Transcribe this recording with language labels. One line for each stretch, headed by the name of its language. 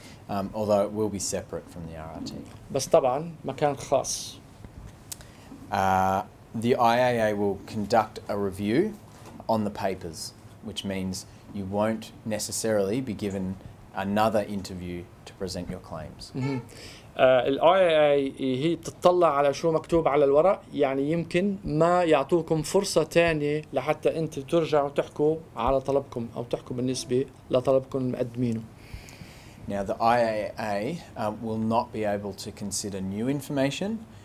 English: Although it will be separate from the RRT.
Arabic: بس طبعاً مكان خاص.
English: The IAA will conduct a review on the papers, which means you won't necessarily be given another interview to present your claims.
Arabic: الIAA هي تطلع على شو مكتوب على الورق يعني يمكن ما يعطوكم فرصة تانية لحتى أنت ترجع وتحكوا على طلبكم أو تحكوا بالنسبة لطلبكم المقدمينه.
English: Now the IAA will not be able to consider new information.